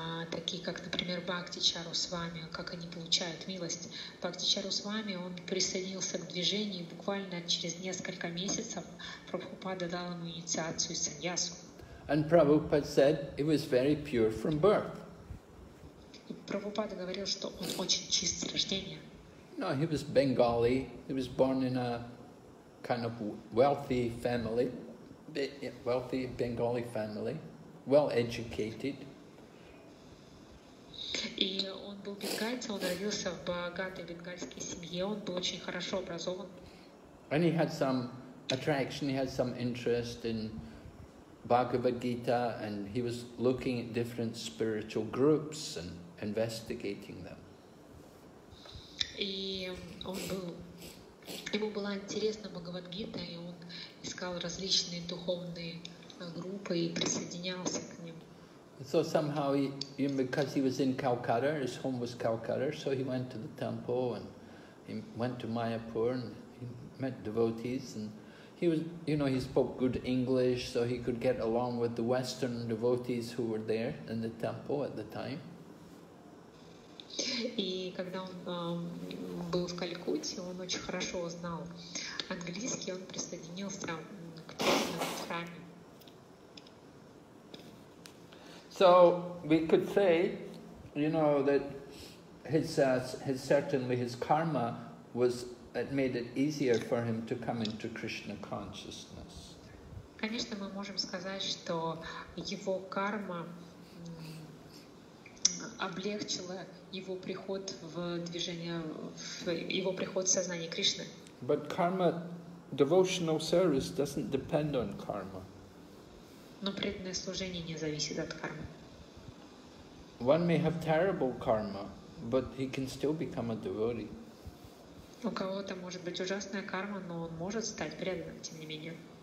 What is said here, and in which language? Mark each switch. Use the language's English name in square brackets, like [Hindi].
[Russian] Такие как, например, Бхакти Чару Свами, как они получают милость. Бхакти Чару Свами, он присоединился к движению, и буквально через несколько месяцев Прабхупада дал ему инициацию саньясу. [English] And Prabhupada said he was very pure from birth. [Russian] И Прабхупада говорил, что он очень чист с рождения. [English] No, he was Bengali. He was born in a kind of wealthy family, wealthy Bengali family, well educated. [Russian] И он был бенгальцем, он родился в богатой бенгальской семье, он был очень хорошо образован. [English] And he had some attraction, he had some interest in Bhagavad Gita, and he was looking at different spiritual groups and investigating them. [Russian] И он был, ему была интересна Бхагавад Гита, и он искал различные духовные группы и присоединялся к ним. [English] So somehow, because he was in Calcutta, his home was Calcutta, so he went to the temple and he went to Mayapur and he met devotees. And he was, you know, he spoke good English, so he could get along with the Western devotees who were there in the temple at the time. [Russian] И когда он был в Калькутте, он очень хорошо знал английский. Он присоединился к храме. [English] So we could say, you know, that his certainly his karma was it made it easier for him to come into Krishna consciousness. [Russian] Конечно, мы можем сказать, что его карма облегчила его приход в движение, его приход в сознание Кришны. [English] But karma, devotional service doesn't depend on karma. [Russian] Но преданное служение не зависит от кармы. [English] One may have terrible karma, but he can still become a devotee. [Russian] У кого-то может быть ужасная карма, но он может стать преданным, тем не менее.